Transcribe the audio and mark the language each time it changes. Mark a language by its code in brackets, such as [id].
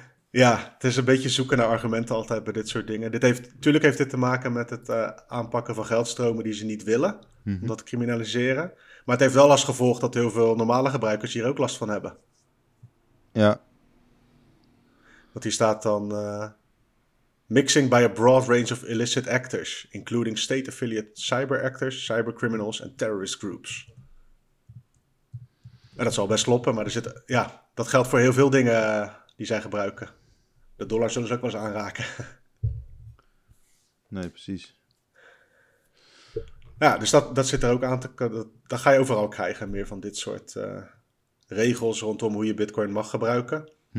[nl] het is een beetje zoeken naar argumenten altijd bij dit soort dingen. Natuurlijk heeft dit te maken met het aanpakken van geldstromen die ze niet willen, om dat te criminaliseren. Maar het heeft wel als gevolg dat heel veel normale gebruikers hier ook last van hebben. Ja. Want hier staat dan, [en] mixing by a broad range of illicit actors, including state-affiliate cyber actors, cyber criminals en terrorist groups. [nl] En dat zal best kloppen, maar er zit, ja, dat geldt voor heel veel dingen die zij gebruiken. De dollar zullen ze ook wel eens aanraken. Nee, precies. Ja, dus dat zit er ook aan te... Dat ga je overal krijgen, meer van dit soort regels rondom hoe je Bitcoin mag gebruiken.